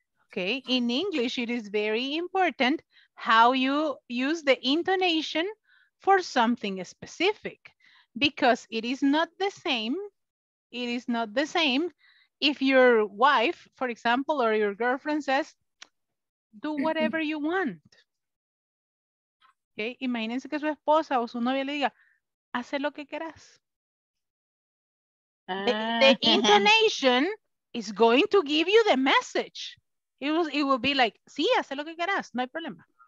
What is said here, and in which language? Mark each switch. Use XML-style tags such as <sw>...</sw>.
<en>Okay, in English, it is very important how you use the intonation for something specific, because it is not the same if your wife, for example, or your girlfriend says, do whatever you want.</en> <es>Okay, imagínense que su esposa o su novia le diga, hace lo que quieras.</es> <en>The intonation is going to give you the message. It will be like,</en> <es>sí, hace lo que quieras, no hay problema.</es>